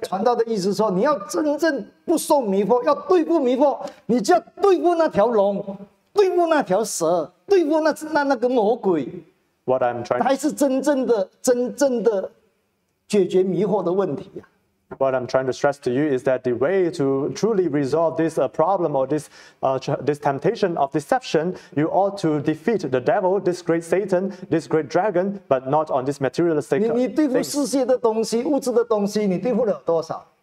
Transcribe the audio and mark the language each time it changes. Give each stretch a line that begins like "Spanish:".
Chinese: 传道的意思说，你要真正不受迷惑，要对付迷惑，你就要对付那条龙，对付那条蛇，对付那个魔鬼。
English: What I'm trying to
Chinese: 还是真正的解决迷惑的问题呀。
English: What I'm trying to stress to you is that the way to truly resolve this problem or this temptation of deception, you ought to defeat the devil, this great Satan, this great dragon, but not on this materialistic thing.
Chinese: 你对付世界的东西、物质的东西，你对付了多少？